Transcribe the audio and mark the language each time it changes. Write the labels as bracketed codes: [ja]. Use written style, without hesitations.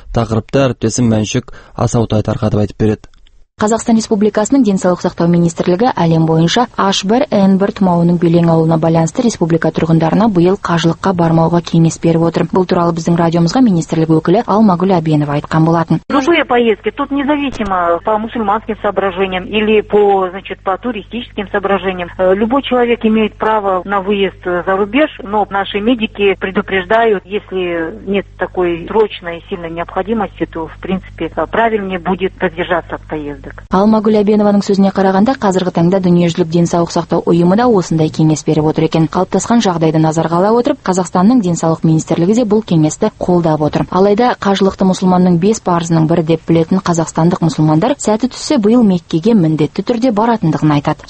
[kk] Тақырыпты әріптесім Мәншүк Асаутай тарқатып айтып береді. Қазақстан Республикасының денсаулық сақтау министрлігі әлем бойынша H1N1 тұмауының белең алуына байланысты республика тұрғындарына биыл қажылыққа бармауға кеңес беріп отыр. Бұл туралы біздің радиомызға министрлік өкілі Алмагүл Әбенова айтқан болатын. [ru] Любые поездки, тут независимо по мусульманским соображениям или по, значит, по туристическим соображениям, любой человек имеет право на выезд за рубеж, но наши медики предупреждают, если нет такой срочной и сильной необходимости, то, в принципе, правильнее будет воздержаться от поездки. [kk] Алмагүл Әбенованың сөзіне қарағанда, қазіргі таңда дүниежүзілік денсаулық сақтау ұйымы да осындай кеңес беріп отыр екен. Қалыптасқан жағдайды назарға ала отырып, Қазақстанның денсаулық министрлігі де бұл кеңесті қолдап отыр. Алайда қажылықты мұсылманның бес парызының бірі деп білетін қазақстандық мұсылмандар сәті түссе биыл Меккеге міндетті түрде баратындығын айтады.